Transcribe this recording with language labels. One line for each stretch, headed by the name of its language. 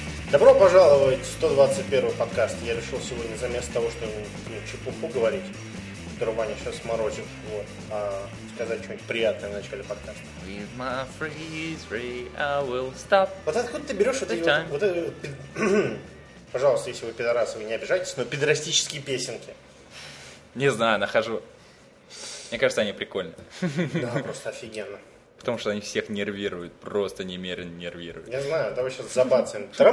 Russian: Добро пожаловать в 121 подкаст. Я решил сегодня, заместо того, что чепуху говорить, который Ваня сейчас морозит, сказать что-нибудь приятное в начале подкаста.
English: With my freeze-ray, I will stop.
Russian: Вот откуда ты берешь вот эти пожалуйста, если вы пидорасы, вы не обижайтесь, но пидорастические песенки. Не знаю, нахожу. Мне кажется, они прикольные. Да, просто офигенно. Потому что они всех нервируют, просто немерено нервируют. Я знаю, давай сейчас забацаем.